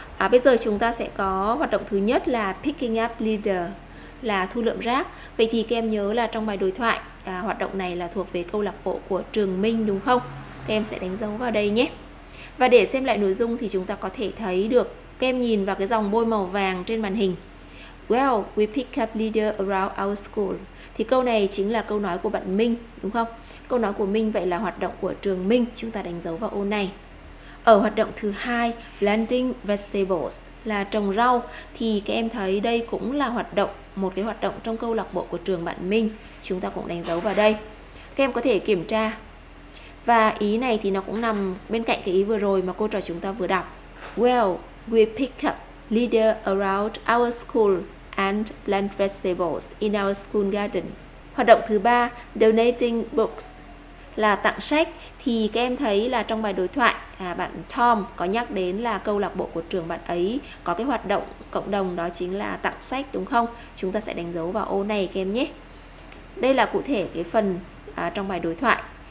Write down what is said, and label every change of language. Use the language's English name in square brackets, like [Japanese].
[Vietnamese] Bây giờ chúng ta sẽ có hoạt động thứ nhất là [English] picking up litter, [Vietnamese] là thu lượm rác. Vậy thì các em nhớ là trong bài đối thoại, hoạt động này là thuộc về câu lạc bộ của trường Minh đúng không? Các em sẽ đánh dấu vào đây nhé. Và để xem lại nội dung thì chúng ta có thể thấy được, các em nhìn vào cái dòng bôi màu vàng trên màn hình. [English] Well, we pick up litter around our school. [Vietnamese] Thì câu này chính là câu nói của bạn Minh đúng không? Câu nói của Minh, vậy là hoạt động của trường Minh, chúng ta đánh dấu vào ô này. Ở hoạt động thứ hai, [English] planting vegetables, [Vietnamese] là trồng rau, thì các em thấy đây cũng là hoạt động, một cái hoạt động trong câu lạc bộ của trường bạn Minh, chúng ta cũng đánh dấu vào đây. Các em có thể kiểm tra. Và ý này thì nó cũng nằm bên cạnh cái ý vừa rồi mà cô trò chúng ta vừa đọc. [English] Well, we pick up litter around our school and plant vegetables in our school garden. [Vietnamese] Hoạt động thứ ba, [English] donating books, [Vietnamese] là tặng sách. Thì các em thấy là trong bài đối thoại, bạn Tom có nhắc đến là câu lạc bộ của trường bạn ấy có cái hoạt động cộng đồng, đó chính là tặng sách đúng không? Chúng ta sẽ đánh dấu vào ô này các em nhé. Đây là cụ thể cái phần trong bài đối thoại.